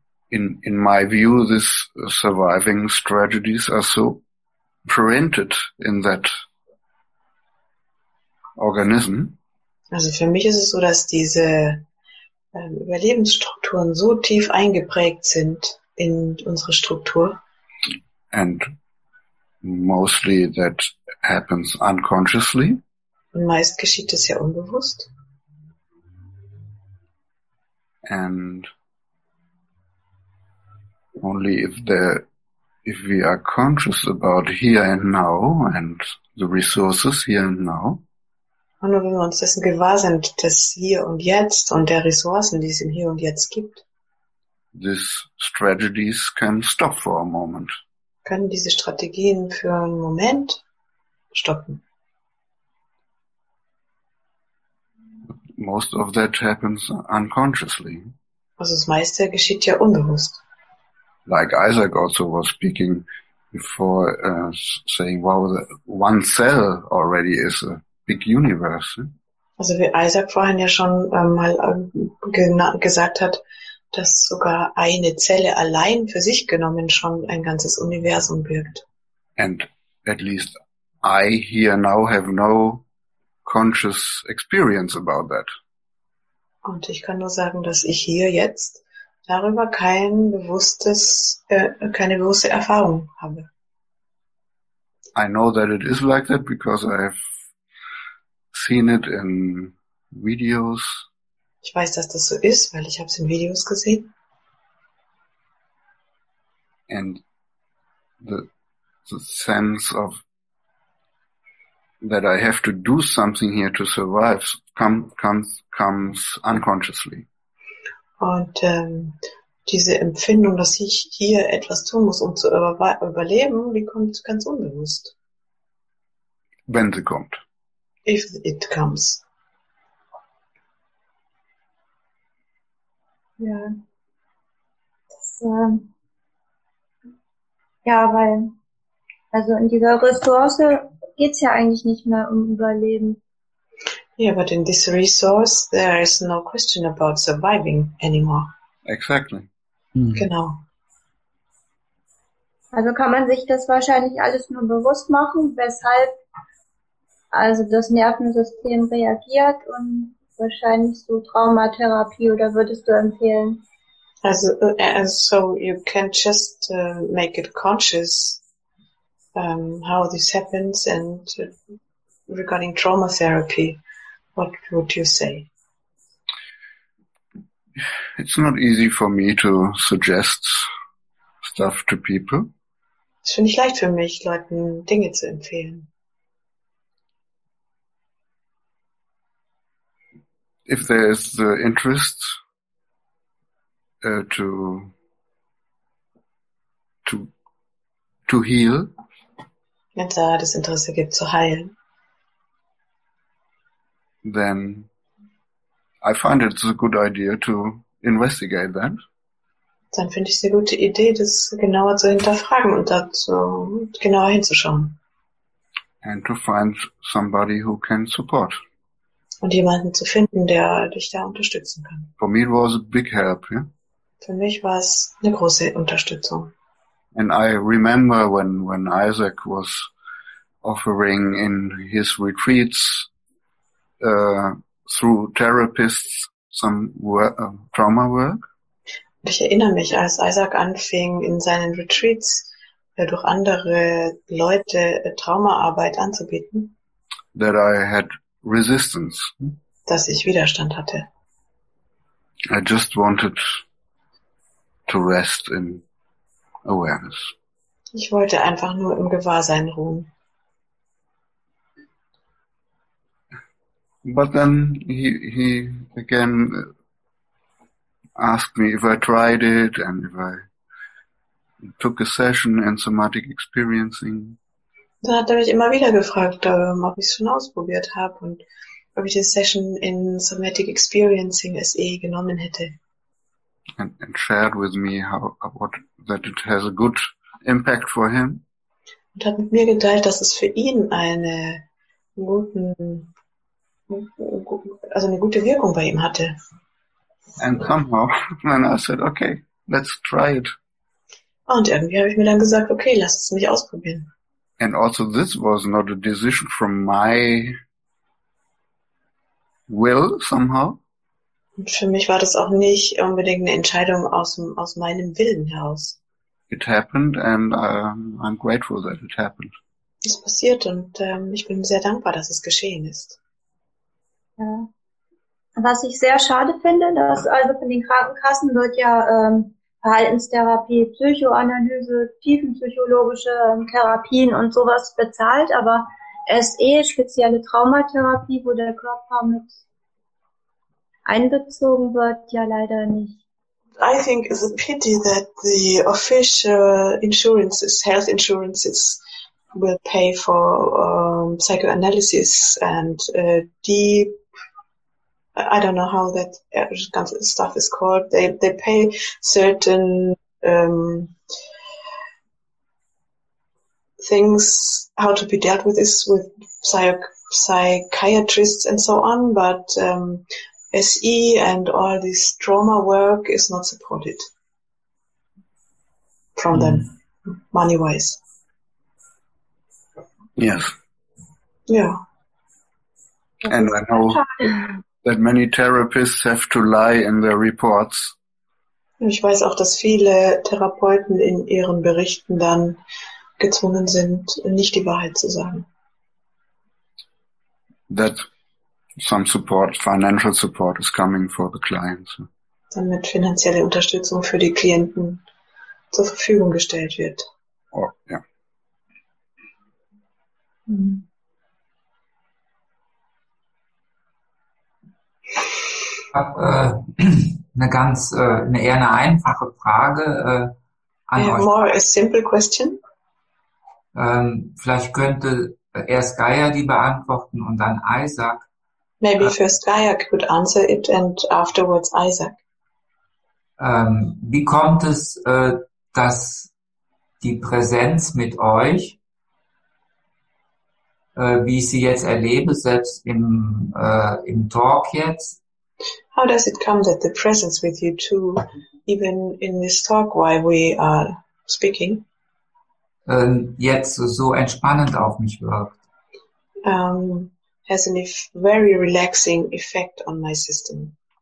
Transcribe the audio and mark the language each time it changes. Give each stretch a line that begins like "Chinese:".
English: In my view, these surviving strategies are so printed in that organism.
German: Also für mich ist es so, dass diese Überlebensstrukturen so tief eingeprägt sind in unsere Struktur.
English: And mostly that happens unconsciously.
German: Und meist geschieht es ja unbewusst.
English: And only if we are conscious about here and now and the resources here and now.
German: Und nur wenn wir uns dessen gewahr sind, dass hier und jetzt und der Ressourcen, die es im Hier und Jetzt gibt.
English: These strategies can stop for a moment.
German: Können diese Strategien für einen Moment stoppen.
English: Most of that happens unconsciously.
German: Also das meiste geschieht ja unbewusst.
English: Like Isaac also was speaking before, saying, well, the one cell already is a big universe.
German: Also wie Isaac vorhin ja schon mal gesagt hat, dass sogar eine Zelle allein für sich genommen schon ein ganzes Universum birgt.
English: And at least I here now have no conscious experience about that.
German: Und ich kann nur sagen, dass ich hier jetzt darüber keine bewusste Erfahrung habe.
English: I know that it is like that because I have seen it in videos.
German: Ich weiß, dass das so ist, weil ich habe es in Videos gesehen.
English: And the sense of that I have to do something here to survive comes unconsciously.
German: Und diese Empfindung, dass ich hier etwas tun muss, um zu überleben, die kommt ganz unbewusst. Wenn sie kommt.
English: If it comes.
German: Ja. Das, ja, weil also in dieser Ressource geht's ja eigentlich nicht mehr um Überleben.
English: Yeah, but in this resource there is no question about surviving anymore. Exactly.
German: Genau. Also kann man sich das wahrscheinlich alles nur bewusst machen, weshalb also das Nervensystem reagiert und wahrscheinlich so Traumatherapie oder würdest du empfehlen?
English: Also so you can just make it conscious how this happens and regarding trauma therapy. What would you say? It's not easy for me to suggest stuff to people.
German: Es ist nicht leicht für mich, Leuten Dinge zu empfehlen.
English: If there is the interest to heal.
German: Wenn es da das Interesse gibt, zu heilen.
English: Then I find it's a good idea to investigate that.
German: Dann finde ich es eine gute Idee, das genauer zu hinterfragen und dazu genauer hinzuschauen.
English: And to find somebody who can support.
German: Und jemanden zu finden, der dich da unterstützen kann.
English: For me it was a big help, yeah?
German: Für mich war es eine große Unterstützung.
English: And I remember when Isaac was offering in his retreats through therapists some trauma work.
German: Ich erinnere mich, als Isaac anfing, in seinen Retreats durch andere Leute Traumaarbeit anzubieten,
English: that I had resistance.
German: Dass ich Widerstand hatte.
English: I just wanted to rest in awareness.
German: Ich wollte einfach nur im Gewahrsein ruhen.
English: But then he again asked me if I tried it and if I took a session and somatic experiencing.
German: Dann hat er mich immer wieder gefragt, ob ich es schon ausprobiert habe und ob ich eine Session in somatic experiencing SE genommen hätte.
English: And shared with me that it has a good impact for him.
German: Und hat mit mir geteilt, dass es für ihn eine gute Wirkung bei ihm hatte.
English: And somehow, then I said, okay, let's try it.
German: Und irgendwie habe ich mir dann gesagt, okay, lass es mich ausprobieren.
English: And also this was not a decision from my will somehow.
German: Und für mich war das auch nicht unbedingt eine Entscheidung aus meinem Willen heraus.
English: It happened and I'm grateful that it happened.
German: Es passiert und ich bin sehr dankbar, dass es geschehen ist. Ja. Was ich sehr schade finde, dass also von den Krankenkassen wird ja Verhaltenstherapie, Psychoanalyse, tiefenpsychologische Therapien und sowas bezahlt, aber SE, spezielle Traumatherapie, wo der Körper mit einbezogen wird, ja leider nicht.
English: I think it's a pity that the official insurances, health insurances, will pay for psychoanalysis and deep, I don't know how that stuff is called. They pay certain things how to be dealt with this with psychiatrists and so on, but SE and all this trauma work is not supported from them, money wise. Yes. Yeah. And I know that many therapists have to lie in their reports.
German: Ich weiß auch, dass viele Therapeuten in ihren Berichten dann gezwungen sind, nicht die Wahrheit zu sagen.
English: That some support, financial support is coming for the clients.
German: Damit finanzielle Unterstützung für die Klienten zur Verfügung gestellt wird.
English: Oh, yeah.
German: Ich habe eine einfache Frage an euch.
English: More a simple question.
German: Vielleicht könnte erst Gaia die beantworten und dann Isaac.
English: Maybe first Gaia could answer it and afterwards Isaac.
German: Wie kommt es, dass die Präsenz mit euch, wie ich sie jetzt erlebe, selbst im Talk jetzt?
English: How does it come that the presence with you two, even in this talk while we are speaking,
German: jetzt so entspannend auf mich wirkt?
English: Has a very relaxing effect on my system.